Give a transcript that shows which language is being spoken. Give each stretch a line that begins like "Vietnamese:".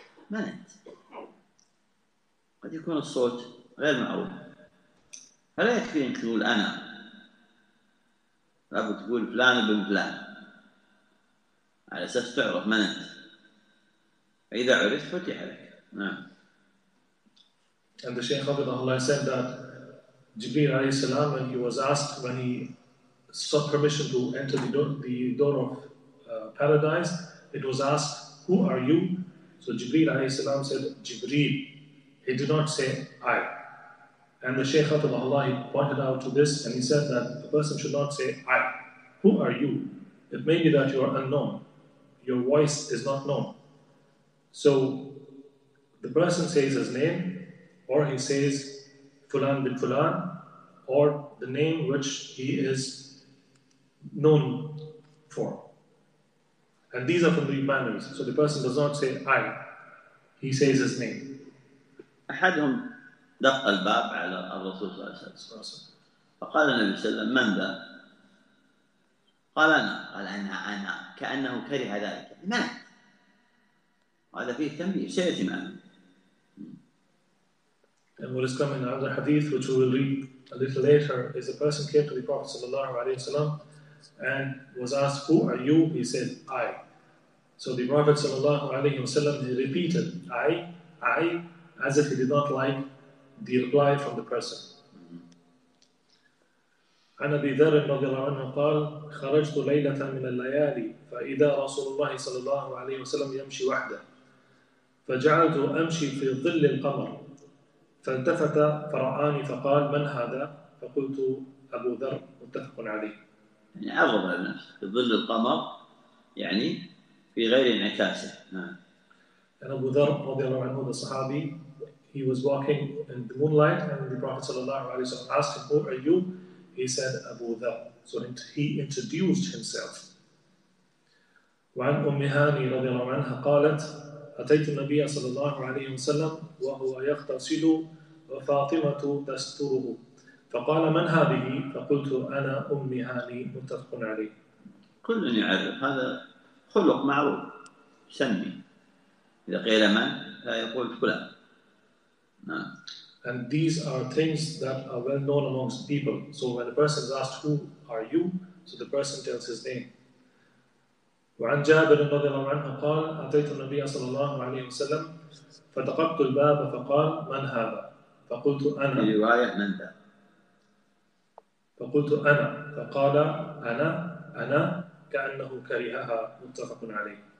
Arabic: من أنت؟ قد يكون الصوت غير معروف، فلا يكفي أن تقول أنا، لابد تقول فلان ابن فلان على أساس تعرف من أنت. إذا عرفت فتح لك. نعم.
English: And the Shaykh Hafidhahullah, Allah said that Jibreel alayhi salam, when he was asked, when he sought permission to enter the door of paradise, it was asked, who are you? So Jibreel alayhi salam said, Jibreel. He did not say, I. And the Shaykh Hafidhahullah, he pointed out to this, and he said that a person should not say, I. Who are you? It may be that you are unknown. Your voice is not known. So the person says his name, or he says Fulan bin Fulan, or the name which he is known for. And these are from the manners. So the person does not say I, he says his name.
Arabic: أحدهم دق الباب على الرسول صلى الله عليه وسلم فقال النبي صلى الله عليه وسلم من ذا؟ قال أنا. قال أنا أنا، كأنه كره ذلك. من؟ هذا فيه تنبيه، سيأتي معنا. And what is coming in another hadith, which we will read a little later, is a person came to the Prophet sallallahu alaihi wasallam and was asked, who are you? He said, I. So the Prophet sallallahu alaihi wasallam, he repeated, I, as if he did not like the reply from the person. عن أبي ذر رضي الله عنه قال خرجت ليلة من الليالي فإذا رسول الله صلى الله عليه وسلم يمشي وحده فجعلت أمشي في ظل القمر فالتفت فرآني فقال من هذا؟ فقلت أبو ذر. متفق عليه. يعني عرض النفس في ظل القمر، يعني في غير انعكاسه. نعم.
English: And
Arabic: أبو ذر رضي الله عنه
English: the صحابي, he was walking in the moonlight and the Prophet
Arabic: صلى الله عليه وسلم
English: asked him, who are you? He said Abu Dhar. So he introduced himself.
Arabic: وعن أم هاني رضي الله عنها قالت أتيت النبي صلى الله عليه وسلم وهو يغتسل وفاطمة تستره فقال من هذه؟ فقلت أنا أم هاني. متفق عليه. كل يعرف، هذا خلق معروف. سمي إذا قيل من فيقول فلان. نعم.
English: And these are things that are well known amongst people. So when a person is asked, who are you? So the person tells his name.
Arabic: وعن جابر رضي الله عنه قال أتيت النبي صلى الله عليه وسلم فدققت الباب فقال من هذا؟ فقلت أنا. في رواية من ذا؟ فقلت أنا. فقال أنا أنا كأنه كرهها. متفق عليه.